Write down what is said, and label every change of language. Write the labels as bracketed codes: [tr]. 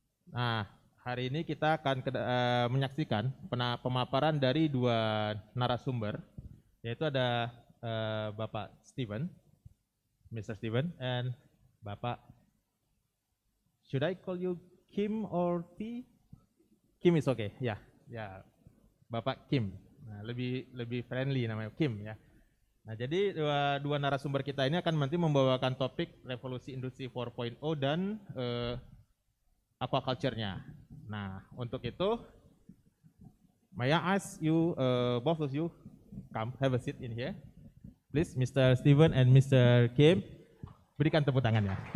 [id] Nah, hari ini kita akan menyaksikan pemaparan dari dua narasumber, yaitu ada Bapak Steven, Mr. [en] Steven, and Bapak, should I call you Kim or T? Kim is okay, [id] ya, ya, Bapak Kim, nah, lebih friendly namanya Kim, ya. Nah, jadi dua narasumber kita ini akan nanti membawakan topik revolusi industri 4.0 dan aquaculture-nya. Nah, untuk itu, [en] may I ask you, both of you, come, have a seat in here, please, Mr. Steven and Mr. [id] Kim, berikan tepuk tangannya.